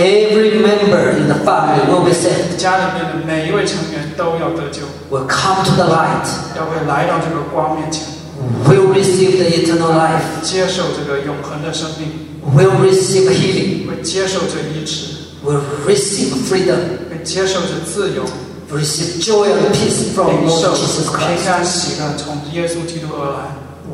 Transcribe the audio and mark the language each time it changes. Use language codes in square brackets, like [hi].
[en] every member in the family will be saved. [zh] 家里面的每一位成员都要得救, [en] will come to the light. [zh] 要会来到这个光面前, [en] will receive the eternal life. [zh] 接受这个永恒的生命, [en] will receive healing. [zh] 会接受这医治, [en] will receive freedom. [zh] 会接受这自由, [en] receive joy and peace from Lord Jesus Christ. [zh] 平安喜乐从耶稣基督而来,